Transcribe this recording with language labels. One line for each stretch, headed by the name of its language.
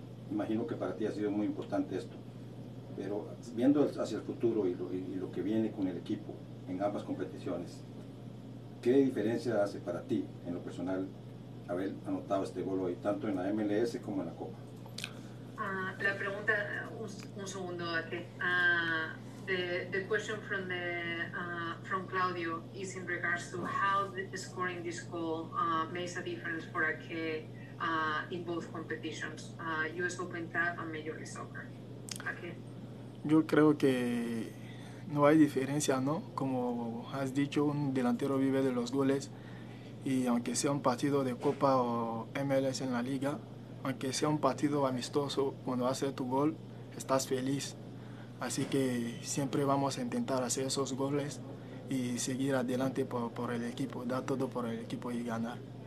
Spanish: Imagino que para ti ha sido muy importante esto, pero viendo hacia el futuro y lo que viene con el equipo en ambas competiciones, ¿qué diferencia hace para ti en lo personal haber anotado este gol hoy, tanto en la MLS como en la Copa? La pregunta, un segundo aquí.
English: The question from Claudio is in regards to how the scoring this goal makes a difference for Ake in both competitions, US Open Cup and Major League Soccer. Ake.
Spanish: Yo creo que no hay diferencia, ¿no? Como has dicho, un delantero vive de los goles y aunque sea un partido de Copa o MLS en la Liga, aunque sea un partido amistoso, cuando haces tu gol, estás feliz. Así que siempre vamos a intentar hacer esos goles y seguir adelante por el equipo, dar todo por el equipo y ganar.